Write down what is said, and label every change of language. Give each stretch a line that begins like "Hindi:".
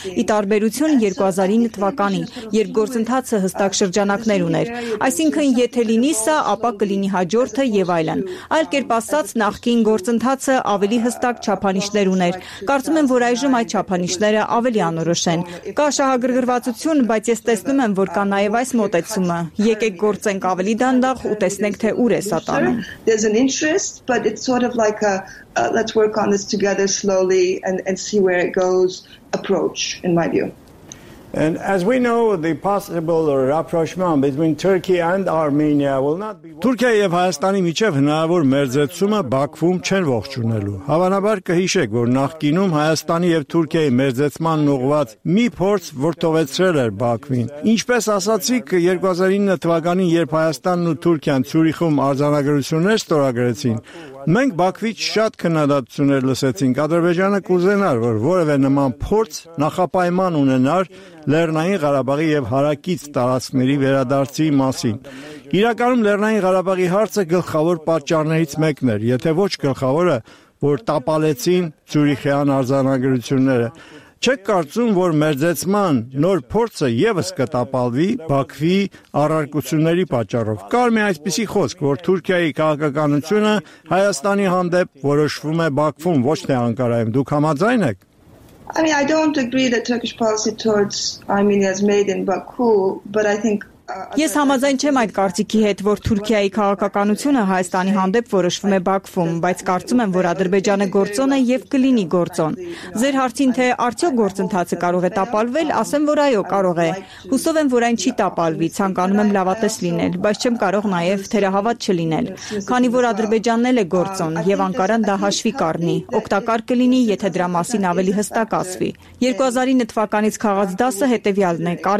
Armenian: Ի տարբերություն 2009 թվականին, երբ գործընթացը հստակ շրջանակներ ուներ, այսինքն եթե լինի սա, ապա կլինի հաջորդը եւ այլն։ Այլ կերպ ասած, նախկին գործընթացը ավելի հստակ չափանիշներ ուներ։ Կարծում եմ, որ այժմ այդ չափանիշները ավելի անորոշ են։ Կա շահագրգռվածություն, բայց ես տեսնում եմ, որ կա նաեւ այս մոտեցումը։ Եկեք գործենք ավելի դանդաղ ու տեսնենք, թե ուր է սա տանում։
English: There's an interest, but it's sort of like a let's work on this together slowly and see where it goes approach, in my view. And as we know, the possible rapprochement between Turkey and Armenia will not be.
Armenian: Թուրքիա եւ Հայաստանի միջև հնարավոր մերձեցումը Բաքվում չեն ողջունելու։ Հավանաբար կհիշեք, որ նախկինում Հայաստանի եւ Թուրքիայի մերձեցման ուղված մի փորձ որթովեցրել էր Բաքվին։ Ինչպես ասացիք, 2009 թվականին, երբ Հայաստանն ու Թուրքիան Ցյուրիխում արձանագրություններ ստորագրեցին, մենք Բաքվից շատ քննադատություններ լսեցինք։ Ադրբեջանը կուզենար, որ որևէ նման փորձ նախապայման ունենար Լեռնային Ղարաբաղի եւ հարակից տարածքների վերադարձի մասին։ Իրականում Լեռնային Ղարաբաղի հարցը գլխավոր պատճառներից մեկն էր, եթե ոչ գլխավորը, որ տապալեցին Ցյուրիխյան արձանագրությունները։ Չեք կարծում, որ մերձեցման նոր փորձը եւս կտապալվի Բաքվի առարկությունների պատճառով։ Կար մի այսպիսի խոսք, որ Թուրքիայի քաղաքականությունը Հայաստանի հանդեպ որոշվում է Բաքվում, ոչ թե Անկարայում։ Դուք համաձայն եք?
English: I mean, I don't agree that Turkish policy towards Armenia is made in Baku, but I think
Armenian: Ես համաձայն չեմ այդ կարծիքի հետ, որ Թուրքիայի քաղաքականությունը Հայաստանի հանդեպ որոշվում է Բաքվում, բայց կարծում եմ, որ Ադրբեջանը գործոն է եւ կլինի գործոն։ Ձեր հարցին, թե արդյոք գործընթացը կարող է տապալվել, ասեմ, որ այո, կարող է։ Հուսով եմ, որ այն չի տապալվի, ցանկանում եմ լավատես լինել, բայց չեմ կարող նաեւ թերահավատ չլինել, քանի որ Ադրբեջանն էլ է գործոն եւ Անկարան դա հաշվի կառնի։ Օգտակար կլինի, եթե դրա մասին ավելի հստակ ասվի։ 2009 թվականից քաղաց դասը հետեւյալն է.